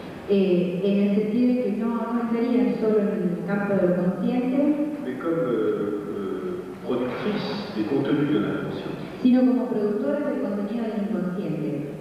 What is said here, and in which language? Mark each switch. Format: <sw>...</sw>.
<es>En el sentido de que no entrarían solo en el campo de lo consciente,</es> <fr>mais comme productrice des contenus de l'inconscient.</fr> <es>Sino como productora de contenido del inconsciente.</es>